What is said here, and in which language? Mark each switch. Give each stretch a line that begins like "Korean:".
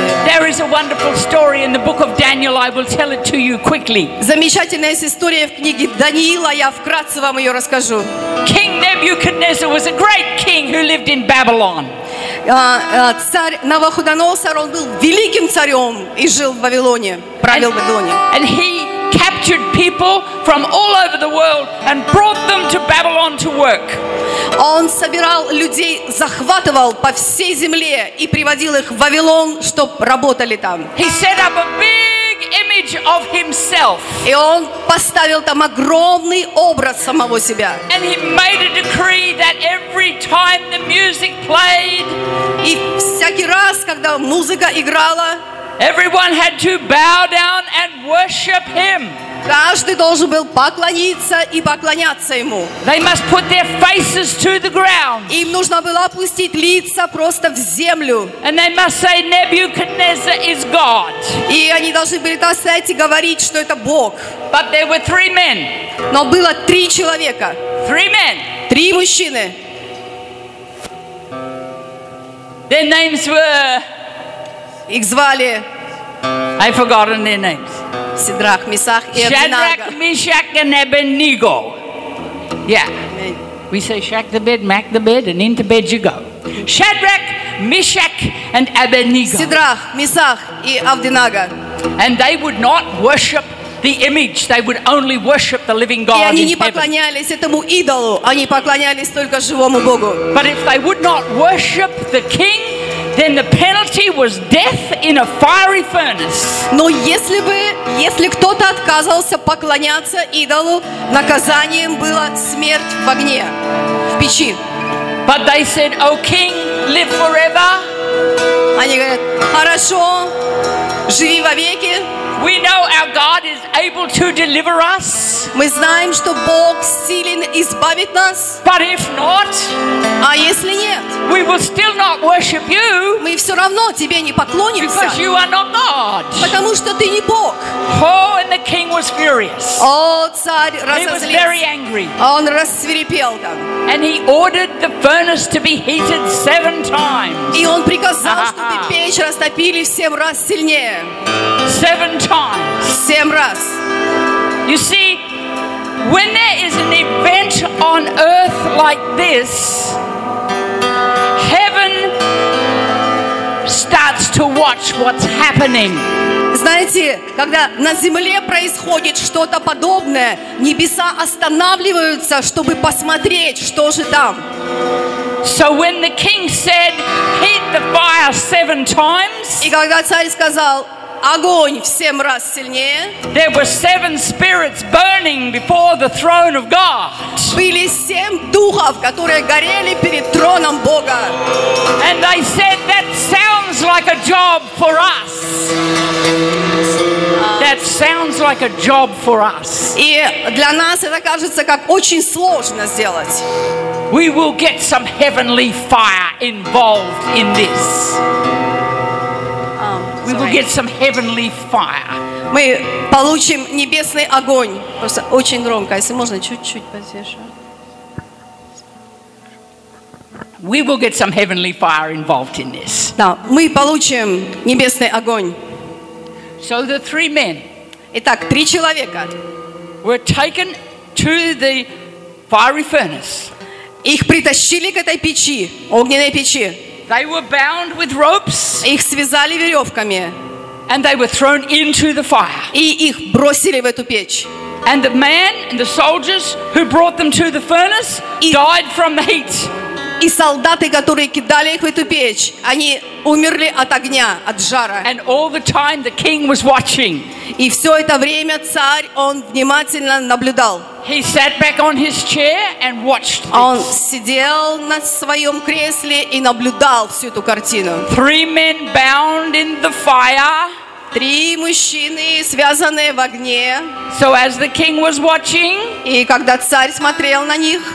English: There is a wonderful story in the book of Daniel. I will tell it to you quickly.
Russian: Замечательная история в книге Даниила. Я вкратце вам ее расскажу.
English: King Nebuchadnezzar was a great king who lived in Babylon.
Russian: Царь Навуходоносор, он был великим царем и жил в Вавилоне. Правил в Вавилоне.
English: And he captured people from all over the world and brought them to Babylon to work.
Russian: Он собирал людей, захватывал по всей земле и приводил их в Вавилон, чтобы работали там.
English: He set up a big image of himself.
Russian: И он поставил там огромный образ самого себя.
English: And he made a decree that every time the music played,
Russian: и всякий раз, когда музыка играла,
English: everyone had to bow down and worship him.
Russian: Каждый должен был поклониться и поклоняться ему.
English: They must put their faces to the ground.
Russian: Им нужно было опустить лица просто в землю.
English: And they must say Nebuchadnezzar is God.
Russian: И они должны были так стоять и говорить, что это Бог.
English: But there were three men.
Russian: Но было три человека.
English: Three men.
Russian: Три мужчины.
English: Their names were.
Russian: Их звали.
English: I've forgotten their names.
Russian: Сидрак, Мисах и Абеднего.
English: Shadrach, Meshach, and Abednego. Yeah. Amen. We say shack the bed, mack the bed, and into bed you go. Shadrach, Meshach, and Abednego.
Russian: Сидрак, Мисах и Абеднего.
English: And they would not worship the image. They would only worship the living God in heaven.
Russian: И они не поклонялись этому идолу. Они поклонялись только живому Богу.
English: But if they would not worship the king, then the penalty was death in a fiery furnace.
Russian: Но если кто-то отказывался поклоняться идолу, наказанием была смерть в огне, в печи.
English: But they said, "O king, live forever."
Russian: Они говорят: "Хорошо, живи вовеки."
English: We know our God is able to deliver us.
Russian: Мы знаем, что Бог силен избавить нас.
English: But if not,
Russian: а если нет,
English: we will still not worship you.
Russian: Мы все равно тебе не поклонимся.
English: Because you are not God.
Russian: Потому что ты не Бог.
English: Oh, and the king was furious.
Russian: О, царь разозлился.
English: He was very angry.
Russian: Он рассвирепел там.
English: And he ordered the furnace to be heated 7 times.
Russian: И он приказал, чтобы печь растопили в 7 раз сильнее.
English: 7 times.
Russian: 7 раз.
English: You see, when there is an event on earth like this, heaven starts to watch what's happening.
Russian: Знаете, когда на земле происходит что-то подобное, небеса останавливаются, чтобы посмотреть, что же там.
English: So when the king said, "Heat the fire 7 times,"
Russian: и когда царь сказал, огонь в 7 раз сильнее,
English: there were 7 spirits burning before the throne of God.
Russian: Были 7 духов, которые горели перед троном Бога.
English: And they said, "That sounds like a job for us." That sounds like a job for us.
Russian: И для нас это кажется как очень сложно сделать.
English: We will get some heavenly fire involved in this. We will get some heavenly fire.
Russian: Мы получим небесный огонь. Просто очень громко, если можно чуть-чуть потише.
English: We will get some heavenly fire involved in this.
Russian: Да, мы получим небесный огонь.
English: So the three men.
Russian: Итак, три человека.
English: Were taken to the fiery furnace.
Russian: Их притащили к этой печи, огненной печи.
English: They were bound with ropes.
Russian: Их связали веревками.
English: And they were thrown into the fire.
Russian: И их бросили в эту печь.
English: And the man and the soldiers who brought them to the furnace died from the heat.
Russian: И солдаты, которые кидали их в эту печь, они умерли от огня, от жара.
English: And all the time the king was watching.
Russian: И все это время царь, он внимательно наблюдал.
English: He sat back on his chair and watched.
Russian: Он сидел на своем кресле и наблюдал всю эту картину.
English: Three men bound in the fire.
Russian: Три мужчины, связанные в огне.
English: So as the king was watching,
Russian: и когда царь смотрел на них,